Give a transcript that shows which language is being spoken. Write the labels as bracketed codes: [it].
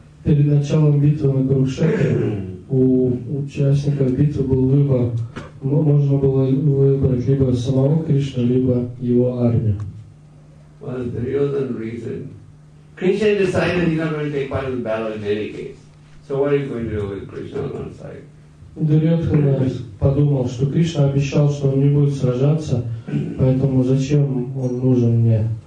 [ru] Перед началом битвы на Курукшетре у участников битвы был выбор. Ну, можно было выбрать либо самого Кришну, либо его армию. [en] Well, the real reason. Krishna decided he's not going to take part in the battle in any case. So what are you going to do with Krishna on one side? [ru] Дурьотхана подумал, что Кришна обещал, что он не будет сражаться, поэтому зачем он нужен мне?